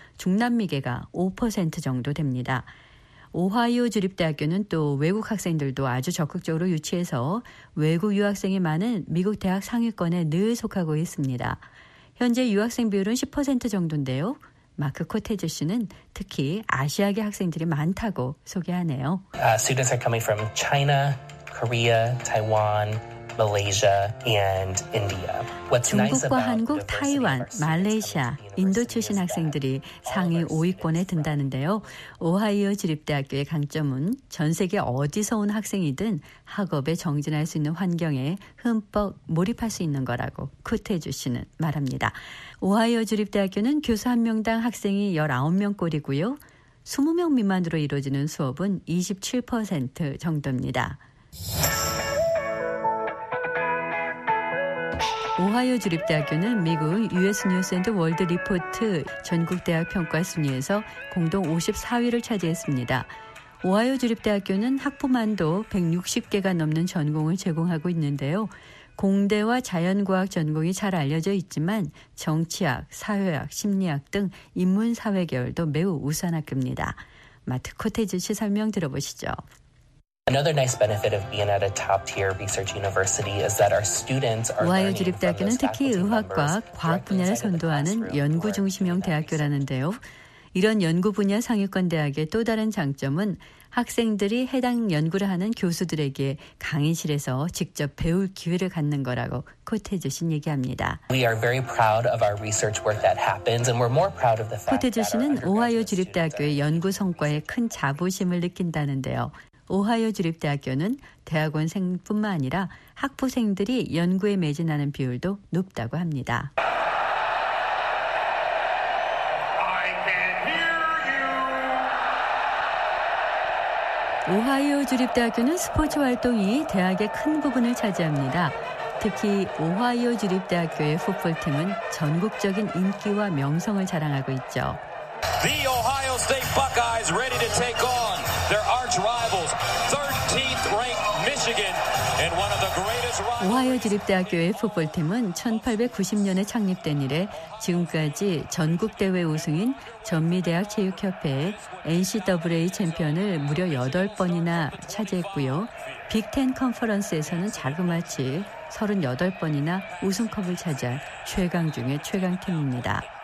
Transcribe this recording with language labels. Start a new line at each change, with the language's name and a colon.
Korean: 중남미계가 5% 정도 됩니다. 오하이오 주립대학교는 또 외국 학생들도 아주 적극적으로 유치해서 외국 유학생이 많은 미국 대학 상위권에 늘 속하고 있습니다. 현재 유학생 비율은 10% 정도인데요. 마크 코테즈 씨는 특히 아시아계 학생들이 많다고 소개하네요.
English: Students are coming from China, Korea, Taiwan, Malaysia and India.
Korean: 중국과 한국, 타이완, 말레이시아, 인도 출신 학생들이 상위 5위권에 든다는데요. 오하이오 주립대학교의 강점은 전 세계 어디서 온 학생이든 학업에 정진할 수 있는 환경에 흠뻑 몰입할 수 있는 거라고 쿠테주 씨는 말합니다. 오하이오 주립대학교는 교수 한 명당 학생이 19명꼴이고요. 20명 미만으로 이루어지는 수업은 27% 정도입니다. 오하이오 주립대학교는 미국 US 뉴스 앤드 월드 리포트 전국대학 평가 순위에서 공동 54위를 차지했습니다. 오하이오 주립대학교는 학부만도 160개가 넘는 전공을 제공하고 있는데요. 공대와 자연과학 전공이 잘 알려져 있지만 정치학, 사회학, 심리학 등 인문사회 계열도 매우 우수한 학교입니다. 마트 코테즈 씨 설명 들어보시죠.
English: Another nice benefit of being at a top-tier research university is that our students are.
Korean: 오하이오 주립대학교는 특히 의학과 과학 분야를 선도하는 연구 중심형 대학교라는데요. 이런 연구 분야 상위권 대학의 또 다른 장점은 학생들이 해당 연구를 하는 교수들에게 강의실에서 직접 배울 기회를 갖는 거라고 코테즈 씨는 얘기합니다.
English: We are very proud of our research work that happens, and we're more proud of the fact that.
Korean: 코테즈 씨는 오하이오 주립대학교의 연구 성과에 큰 자부심을 느낀다는데요. 오하이오 주립대학교는 대학원생뿐만 아니라 학부생들이 연구에 매진하는 비율도 높다고 합니다. 오하이오 주립대학교는 스포츠 활동이 대학의 큰 부분을 차지합니다. 특히 오하이오 주립대학교의 풋볼팀은 전국적인 인기와 명성을 자랑하고 있죠.
English: The Ohio State Buckeyes ready to take on their arch rivals, 13th ranked Michigan, and one of the greatest rivals.
Korean: 오하이오 주립대학교의 풋볼팀은 1890년에 창립된 이래 지금까지 전국 대회 우승인 전미대학 체육협회의 NCAA 챔피언을 무려 8번이나 차지했고요. 빅텐 컨퍼런스에서는 자그마치 38번이나 우승컵을 차지한 최강 중의 최강팀입니다.